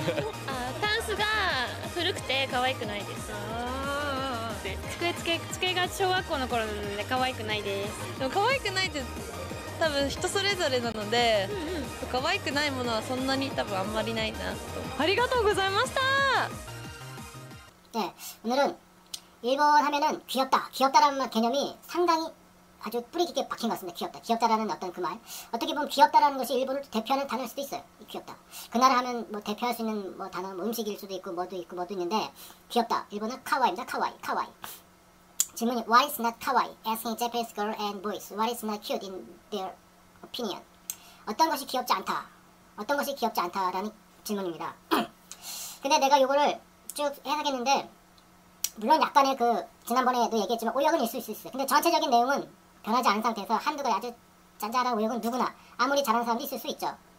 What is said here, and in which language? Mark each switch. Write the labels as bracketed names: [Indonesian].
[Japanese] タンスが古くて可愛くないです。机が小学校の頃なので可愛くないです。でも可愛くないって多分人それぞれなので、可愛くないものはそんなに多分あんまりないなと。ありがとうございました。 [Korean] 네、오늘은 일본 하면은 귀엽다, 귀엽다라는 개념이 상당히 아주 뿌리 깊게 박힌 것 같습니다. 귀엽다, 귀엽다라는 어떤 그 말. 어떻게 보면 귀엽다라는 것이 일본을 대표하는 단어일 수도 있어요. 귀엽다. 그 나라 하면 뭐 대표할 수 있는 뭐 단어, 뭐 음식일 수도 있고 뭐도 있고 뭐도 있는데, 귀엽다. 일본어 카와이입니다. 카와이, 카와이. 질문이 [English] Why is not kawaii? Asking Japanese girl and boys, what is not cute in their opinion? [Korean] 어떤 것이 귀엽지 않다? 어떤 것이 귀엽지 않다라는 질문입니다. 근데 내가 이거를 쭉 해석했는데, 물론 약간의 그 지난번에도 얘기했지만 오역은 있을 수 있어요. 근데 전체적인 내용은 변하지 않은 상태에서 한두 가지 아주 잔잔한 오역은 누구나 아무리 잘하는 사람도 있을 수 있죠.